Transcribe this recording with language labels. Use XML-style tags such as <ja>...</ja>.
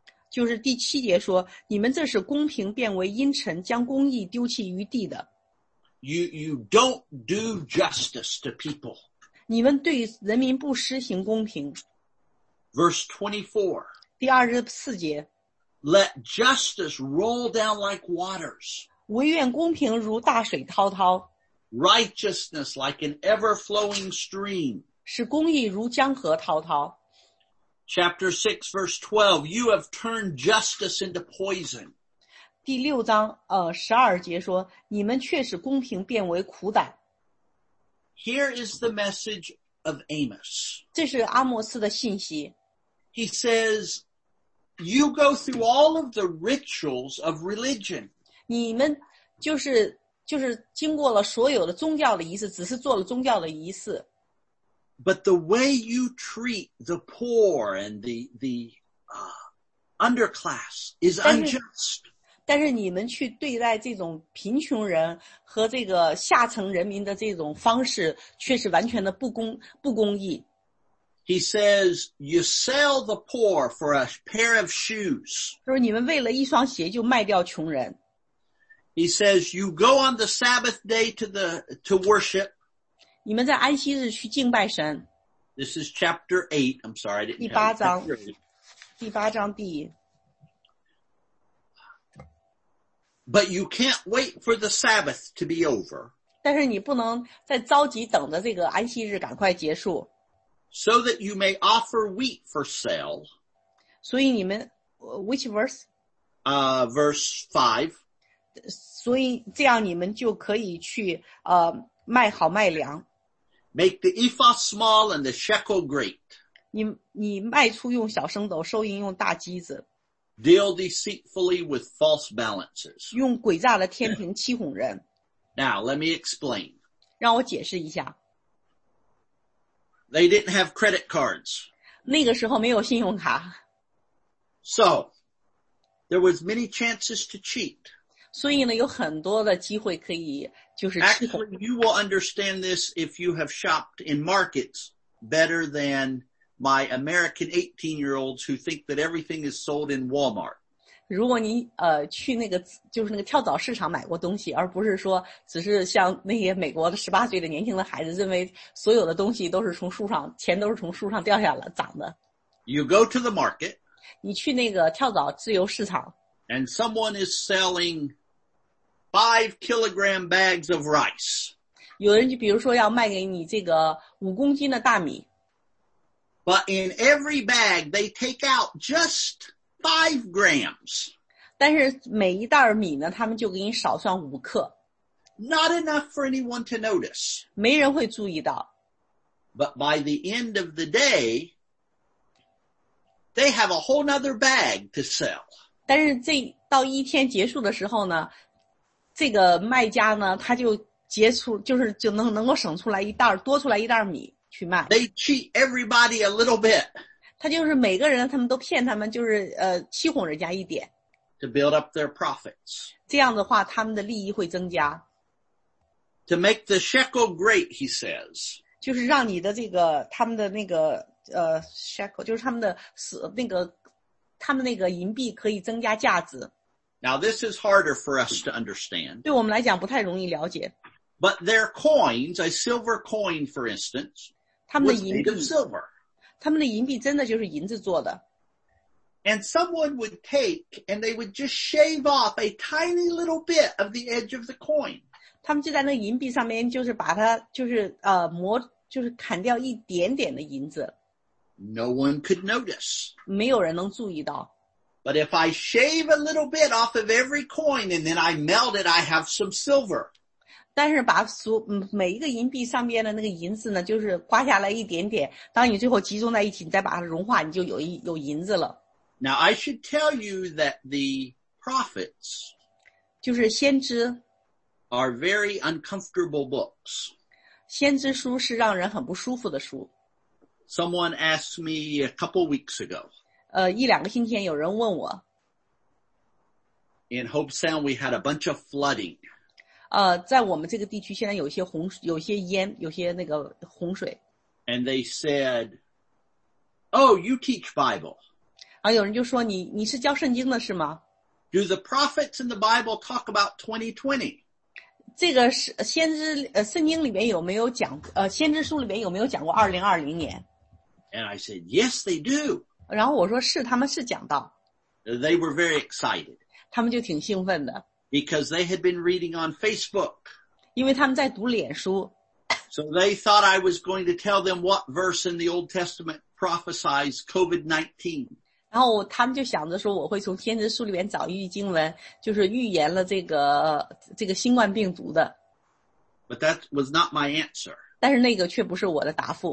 <zh>就是第七节说，你们这是公平变为阴沉，将公义丢弃于地的。</zh> <en>You don't do justice to people.</en> <zh>你们对人民不施行公平。</zh> <en>Verse</en> <zh>24. 第24节。</zh> <en>Let justice roll down like waters.</en> <zh>唯愿公平如大水滔滔。</zh> <en>Righteousness like an ever-flowing stream.</en> <zh>使公义如江河滔滔。</zh> <en>Chapter 6, verse 12, you have turned justice into poison.</en> <zh>第六章12节说，你们却使公平变为苦胆。</zh> <en>Here is the message of Amos.</en> <zh>这是阿摩斯的信息。</zh> <en>He says, you go through all of the rituals of religion.</en> <zh>你们就是经过了所有的宗教的仪式，只是做了宗教的仪式。</zh> <en>But the way you treat the poor and underclass is unjust.</en> <zh>但是你们去对待这种贫穷人和这个下层人民的这种方式，却是完全的不公义。</zh> <en>He says, you sell the poor for a pair of shoes.</en> <zh>就是你们为了一双鞋就卖掉穷人。</zh> <en>He says, you go on the Sabbath day to worship.</en> <zh>你们在安息日去敬拜神。</zh> <en>This is chapter 8. I'm sorry, I didn't hear it.</en> <zh>第八章第。</zh> <en>But you can't wait for the Sabbath to be over.</en> <zh>但是你不能再着急等着这个安息日赶快结束。</zh> <en>So that you may offer wheat for sale.</en> <zh>所以你们</zh> <en>which verse? Verse 5.</en> <zh>所以这样你们就可以去卖好卖粮。</zh> <en>Make the ephah small and the shekel great.</en> <zh>你卖出用小升斗，收银用大机子。</zh> <en>Deal deceitfully with false balances.</en> <zh>用诡诈的天平欺哄人。</zh> <en>Now, let me explain.</en> <zh>让我解释一下。</zh> <en>They didn't have credit cards.</en> <zh>那个时候没有信用卡。</zh> <en>So, there was many chances to cheat.</en> <zh>所以呢有很多的机会可以就是欺哄。</zh> <en>Actually, you will understand this if you have shopped in markets better than my American 18-year-olds who think that everything is sold in Walmart.</en> <zh>如果你去那个就是那个跳蚤市场买过东西，而不是说只是像那些美国的18岁的年轻的孩子认为所有的东西都是从树上，钱都是从树上掉下来长的。</zh> <en>You go to the market.</en> <zh>你去那个跳蚤自由市场。</zh> <en>And someone is selling 5 kilogram bags of rice.</en> <zh>有人就比如说要卖给你这个5公斤的大米。</zh> <en>But in every bag, they take out just 5 grams.</en> <zh>但是每一袋米呢，他们就给你少算5克。</zh> <en>Not enough for anyone to notice.</en> <zh>没人会注意到。</zh> <en>But by the end of the day, they have a whole other bag to sell.</en> <zh>但是这到一天结束的时候呢，这个卖家呢，他就结出就是就能够省出来一袋多出来一袋米。</zh> <en>They cheat everybody a little bit.</en> <zh>他就是每个人，他们都骗他们，就是欺哄人家一点。</zh> <en>To build up their profits.</en> <zh>这样的话，他们的利益会增加。</zh> <en>To make the shekel great, he says.</en> <zh>就是让你的这个他们的那个shekel, 就是他们的那个他们那个银币可以增加价值。</zh> <en>Now this is harder for us to understand.</en> <zh>对我们来讲不太容易了解。</zh> <en>But their coins, a silver coin, for instance,</en> <zh>他们的银币,</zh> <en>was made of silver.</en> <zh>他们的银币真的就是银子做的。</zh> <en>And someone would take, and they would just shave off a tiny little bit of the edge of the coin.</en> <zh>他们就在那银币上面就是把它就是磨就是砍掉一点点的银子。</zh> <en>No one could notice.</en> <zh>没有人能注意到。</zh> <en>But if I shave a little bit off of every coin, and then I melt it, I have some silver.</en> <zh>但是把每一个银币上面的那个银子呢就是刮下来一点点，当你最后集中在一起，你再把它融化，你就有银子了。</zh> <en>Now I should tell you that the prophets</en> <zh>就是先知</zh> <en>are very uncomfortable books.</en> <zh>先知书是让人很不舒服的书。</zh> <en>Someone asked me a couple weeks ago.</en> <zh>一两个星期前有人问我。</zh> <en>In Hope Sound we had a bunch of flooding.</en> <zh>在我们这个地区现在有些洪水，有些淹，有些那个洪水。</zh> <en>And they said, "Oh, you teach Bible."</en> <zh>啊，有人就说你是教圣经的是吗</zh> <en>？Do the prophets in the Bible talk about 2020?</en> <zh>这个是先知圣经里面有没有讲先知书里面有没有讲过2020年</zh> <en>？And I said, "Yes, they do."</en> <zh>然后我说是，他们是讲到。</zh> <en>They were very excited.</en> <zh>他们就挺兴奋的。</zh> <en>Because they had been reading on Facebook.</en> <zh>因为他们在读脸书。</zh> <en>So they thought I was going to tell them what verse in the Old Testament prophesies COVID-19.</en> <zh>然后他们就想着说我会从先知书里面找一句经文就是预言了这个新冠病毒的。</zh> <en>But that was not my answer.</en> <zh>但是那个却不是我的答复。</zh>